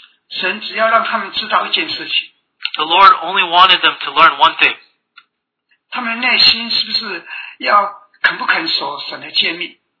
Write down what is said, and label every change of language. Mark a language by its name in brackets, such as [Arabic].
[Chinese] 神只要让他们知道一件事情。 [English] The Lord only wanted them to learn one thing. [Chinese] 他们内心是不是要肯不肯守神的诫命？